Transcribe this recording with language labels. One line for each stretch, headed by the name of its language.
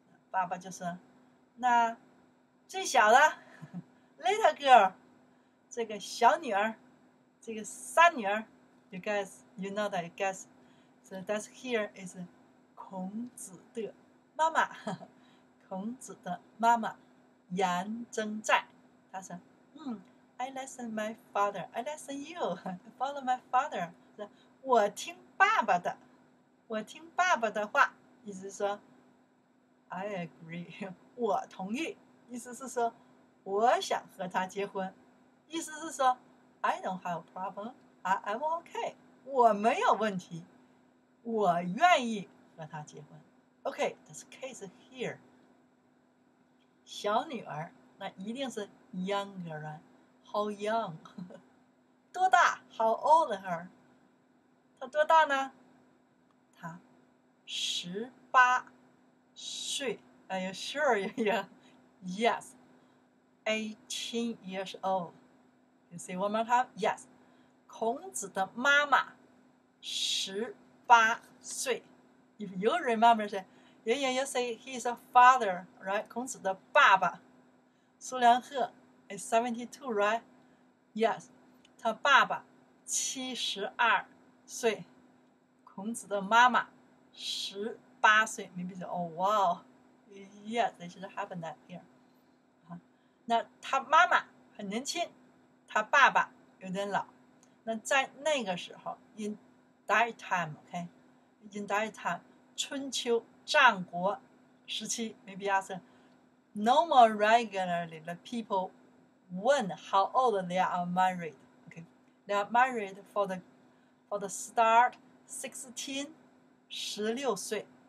Chinese: 爸爸就说，那最小的
English: little girl，
Chinese: 这个小女儿，这个三女儿，
English: you guys， you know that， you guys， so that's here is
Chinese: 孔子的妈妈，孔子的妈妈颜真在，他说，嗯，
English: I listen my father， I listen you， follow my father，
Chinese: 我听爸爸的，我听爸爸的话，意思是说
English: I agree，
Chinese: 我同意，意思是说我想和他结婚，意思是说
English: I don't have a problem， I'm okay，
Chinese: 我没有问题，我愿意和他结婚。
English: OK， this case here，
Chinese: 小女儿，那一定是
English: younger， how young，
Chinese: 多大，
English: how old her，
Chinese: 她多大呢？她十八岁。哎呀
English: sure， yeah， yes， 18 years old， you see one more time， yes，
Chinese: 孔子的妈妈十八岁。
English: If you remember， say， yeah， yeah， you say he's a father， right，
Chinese: 孔子的爸爸苏良鹤
English: is 72， right？ Yes，
Chinese: 他爸爸72岁，孔子的妈妈18岁。
English: Maybe say， oh wow， yes， they should have that here。
Chinese: 那他妈妈很年轻，他爸爸有点老。那在那个时候
English: in that time， OK， in that time，
Chinese: 春秋战国时期，
English: maybe ask him，No more regularly the people when how old they are married. Okay, they are married for the start 16, 16
Chinese: 岁.